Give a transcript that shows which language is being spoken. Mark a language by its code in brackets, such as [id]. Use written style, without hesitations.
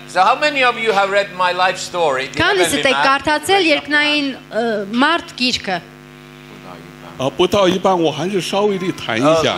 [en] So how many of you have read my life story? [hy] Քանիսիք կարդացել երկնային մարդ գիրքը։ [zh] 不到一半，我还是稍微地谈一下。